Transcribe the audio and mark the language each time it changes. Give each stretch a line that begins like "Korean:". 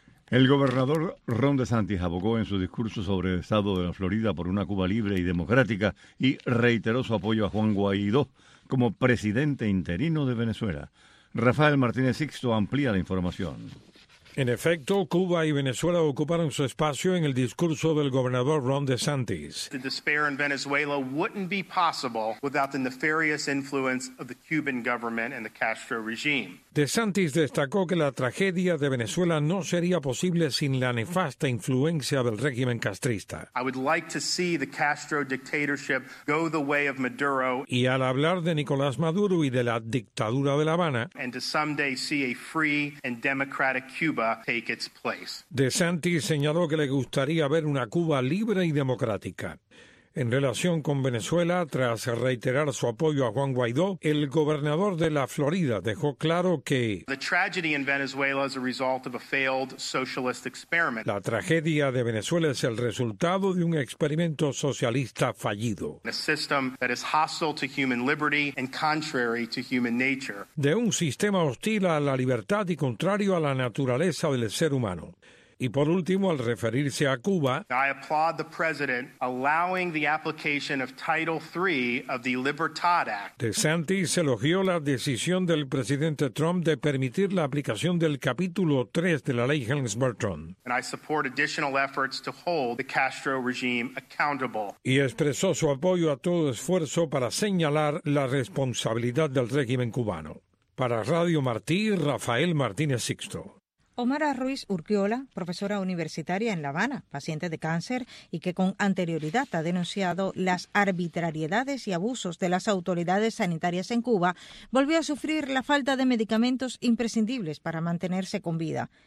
Spanish: El gobernador Ron DeSantis abogó en su discurso sobre el estado de la Florida por una Cuba libre y democrática y reiteró su apoyo a Juan Guaidó como presidente interino de Venezuela. Rafael Martínez Sixto amplía la información. En efecto, Cuba y Venezuela ocuparon su espacio en el discurso del gobernador Ron DeSantis.
English: The despair in Venezuela wouldn't be possible without the nefarious influence of the Cuban government and the Castro regime.
Spanish: DeSantis destacó que la tragedia de Venezuela no sería posible sin la nefasta influencia del régimen castrista.
English: I would like to see the Castro dictatorship go the way of Maduro.
Spanish: Y al hablar de Nicolás Maduro y de la dictadura de La Habana,
English: and to someday see a free and democratic Cuba take its place.
Spanish: DeSantis señaló que le gustaría ver una Cuba libre y democrática. En relación con Venezuela, tras reiterar su apoyo a Juan Guaidó, el gobernador de la Florida dejó claro que
English: The tragedy in Venezuela is a result of a failed socialist experiment.
Spanish: La tragedia de Venezuela es el resultado de un experimento socialista fallido.
English: A system that is hostile to human liberty and contrary to human nature.
Spanish: De un sistema hostil a la libertad y contrario a la naturaleza del ser humano. Y por último, al referirse a Cuba,
English: I applaud the president allowing the application of Title III of the Libertad Act.
Spanish: DeSantis elogió la decisión del presidente Trump de permitir la aplicación del capítulo 3 de la ley Helms-Burton.
English: And I support additional efforts to hold the Castro regime accountable.
Spanish: Y expresó su apoyo a todo esfuerzo para señalar la responsabilidad del régimen cubano. Para Radio Martí, Rafael Martínez Sixto. Omara Ruiz Urquiola, profesora universitaria en La Habana, paciente de cáncer y que con anterioridad ha denunciado las arbitrariedades y abusos de las autoridades sanitarias en Cuba, volvió a sufrir la falta de medicamentos imprescindibles para mantenerse con vida.